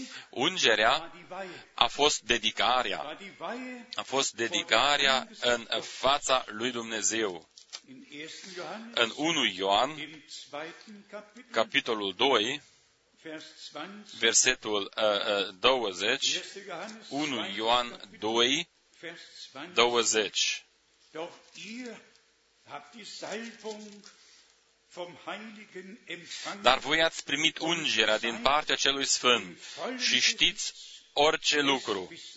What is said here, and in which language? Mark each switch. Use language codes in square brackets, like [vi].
[ro] Ungerea a fost dedicarea. A fost dedicarea în fața lui Dumnezeu. În 1 Ioan, capitolul 2, versetul 20, 1 Ioan 2, 20. [de] Doch ihr habt die Salbung vom Heiligen empfangen. [ro] Dar voi ați primit ungerea din partea celui sfânt și știți orice lucru.